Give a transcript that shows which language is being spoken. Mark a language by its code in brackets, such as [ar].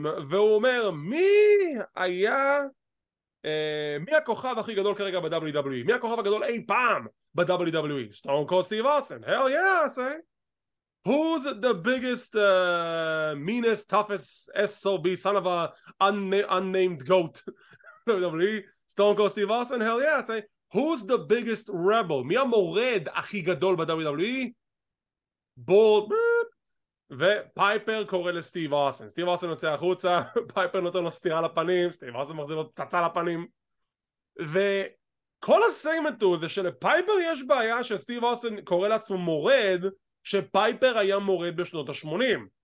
[he] והוא אומר, מי היה... מי הכוכב הכי גדול כרגע ב-WWE? מי הכוכב הגדול אי פעם ב-WWE? סטון קולד סטיב אוסטין, [en] hell yeah, I say. Who's the biggest, meanest, toughest, SOB, son of a unnamed goat? [he] WWE, סטון קולד סטיב אוסטין, [en] hell yeah, I say. Who's the biggest rebel? [he] מי המורד הכי גדול ב-WWE? בורד, ופייפר קורא לסטיב אוסטין. סטיב אוסטין יוצא החוצה, פייפר נותן לו סטירה לפנים, סטיב אוסטין מחזיר לו צצה לפנים. וכל הסגמנט הוא זה שלפייפר יש בעיה שסטיב אוסטין קורא לעצמו מורד, שפייפר היה מורד בשנות ה-80.